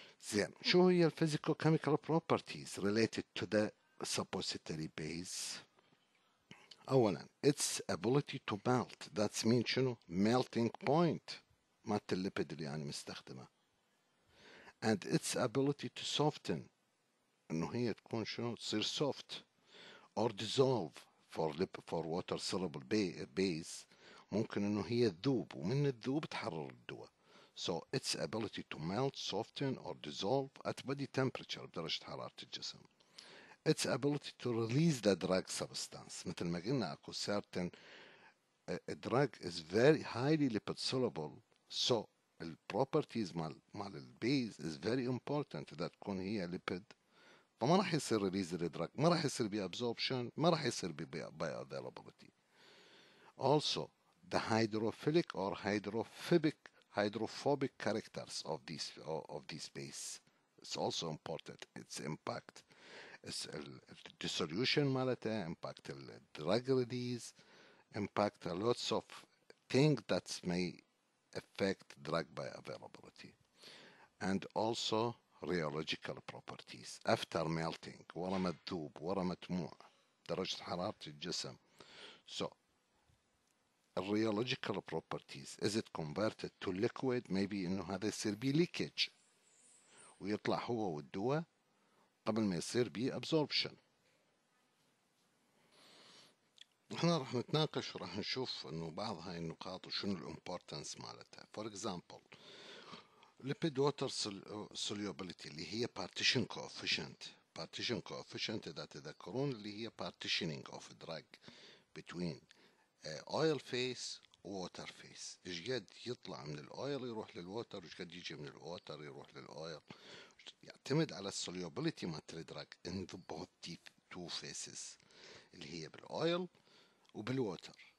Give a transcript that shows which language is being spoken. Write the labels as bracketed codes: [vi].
[en] زين شو هي الفيزيكال chemical properties related to the suppository base؟ أولا its ability to melt, that means شنو melting point مات الليبيد اللي يعني مستخدمة, and its ability to soften انه هي تكون شنو تصير soft or dissolve for water soluble base, [ar] ممكن انه هي تذوب ومن الذوب تحرر الدواء. [en] So its ability to melt, soften or dissolve at body temperature [ar] بدرجة حرارة الجسم. [en] Its ability to release the drug substance. [ar] مثل ما قلنا أكو [en] certain a drug is very highly lipid soluble. So the properties مال البيز is very important that تكون هي lipid. [ar] فما راح يصير [en] release the drug. [ar] ما راح يصير بيabsorption. ما راح يصير بيbioavailability. [en] Also the hydrophilic or hydrophobic characters of this base. It's also important. Its impact. It's the dissolution malata impact the drug release, impact a lots of things that may affect drug bioavailability, and also rheological properties after melting. [ar] ورا ما تذوب ورا ما تموع درجة حرارة الجسم. [en] So rheological properties, is it converted to liquid? [ar] Maybe إنه هذا يصير بي leakage ويطلع هو والدواء قبل ما يصير بي absorption. احنا راح نتناقش وراح نشوف انه بعض هاي النقاط وشنو الامبورتنس مالتها. [en] For example lipid water solubility [ar] اللي هي partition coefficient اذا تذكرون اللي هي [en] partitioning of drug between oil phase water phase, [ar] ايش قد يطلع من الاويل يروح للووتر وايش قد يجي من الووتر يروح للاويل, يعتمد على solubility ما تدرك in both two phases اللي هي بالoil وبالwater.